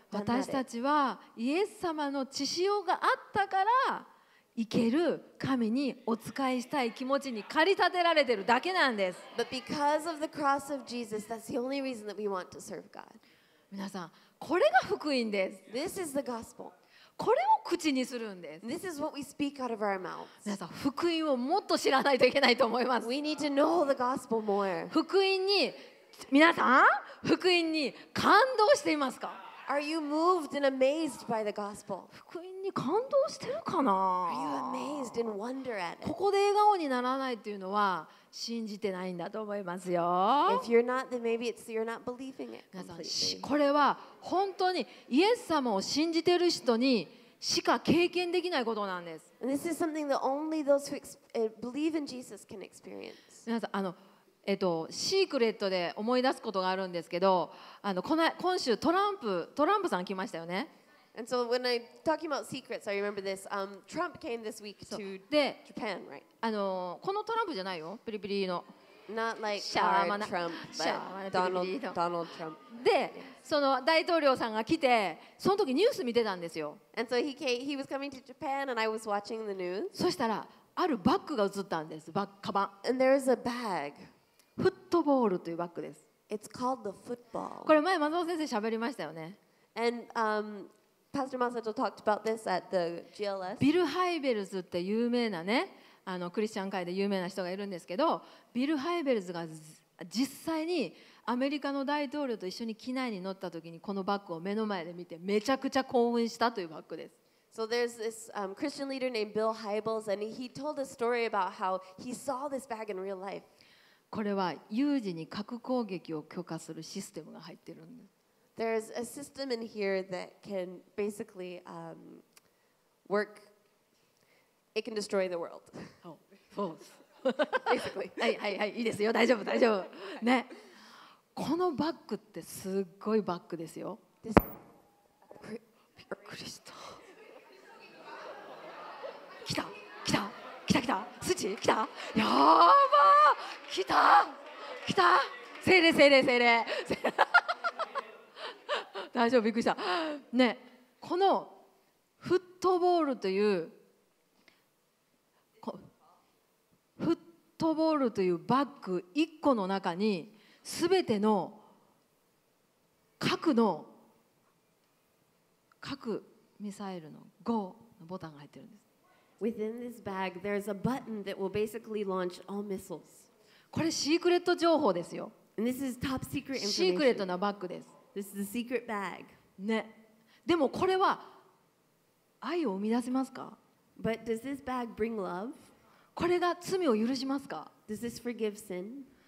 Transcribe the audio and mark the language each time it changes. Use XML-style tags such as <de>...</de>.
<ja>私たちはイエス様の血潮があったから行ける神にお仕えしたい気持ちに駆り立てられてるだけなんです。</ja> <en>But because of the cross of Jesus, that's the only reason that we want to serve God.</en> <ja>皆さん、これが福音です。</ja> <en>This is the gospel.</en> <ja>これを口にするんです。</ja> <en>This is what we speak out of our mouths.</en> <ja>皆さん、福音をもっと知らないといけないと思います。</ja> <en>We need to know the gospel more.</en> <ja>福音に、皆さん、福音に感動していますか？</ja> <en>Are you moved and amazed by the gospel?</en> <ja>福音に感動してるかな？</ja> <en>Are you amazed and wonder at it?</en> <ja>ここで笑顔にならないっていうのは信じてないんだと思いますよ。</ja> <en>If you're not, then maybe it's you're not believing it completely.</en> <ja>皆さん、これは本当にイエス様を信じてる人にしか経験できないことなんです。</ja> <en>And this is something that only those who believe in Jesus can experience.</en> <ja>皆さん、シークレットで思い出すことがあるんですけど、今週トランプさん来ましたよね。</ja> <en>And so when I talking about secrets, I remember this. Trump came this week to Japan, right?</en> <ja>このトランプじゃないよ、ピリピリの。</ja> <en>Not like our Trump, but Donald Trump.</en> <ja>で、その大統領さんが来て、その時ニュース見てたんですよ。</ja> <en>And so he was coming to Japan, and I was watching the news.</en> <ja>そしたらあるバッグが映ったんです、カバン。</ja> <en>And there is a bag.</en> <ja>フットボールというバッグです。</ja> <en>It's called the football.</en> <ja>これ前松本先生喋りましたよね。</ja> <en>And Pastor Masato talked about this at the GLS.</en> <ja>ビル・ハイベルズって有名なね、クリスチャン界で有名な人がいるんですけど、ビル・ハイベルズが実際にアメリカの大統領と一緒に機内に乗った時にこのバッグを目の前で見てめちゃくちゃ興奮したというバッグです。</ja> <en>So there's this Christian leader named Bill Hybels, and he told a story about how he saw this bag in real life.</en> <ja>これは有事に核攻撃を許可するシステムが入ってるんです。</ja> <en>There's a system in here that can basically work. It can destroy the world.</en> <ja>Oh, そう。</ja> <en>basically.</en> <ja>はいはいはい、いいですよ。大丈夫、大丈夫。ね。このバッグってすっごいバッグですよ。</ja> <en>This...</en> <ja>びっくりした。来た、来た、来た、来た。スチ、来た。やーばー。来た、来た。精霊、精霊、精霊。大丈夫、びっくりした。ね、このフットボールというフットボールというバッグ1個の中に全ての核ミサイルの GO のボタンが入ってるんです。</ja> <en>Within this bag, there's a button that will basically launch all missiles.</en> <ja>これシークレット情報ですよ。</ja> <en>And this is top secret information.</en> <ja>シークレットなバッグです。</ja> <en>This is a secret bag.</en> <ja>ね。でもこれは愛を生み出せますか？</ja> <en>But does this bag bring love?</en> <ja>これが罪を許しますか？</ja> <en>Does this forgive sin?</en>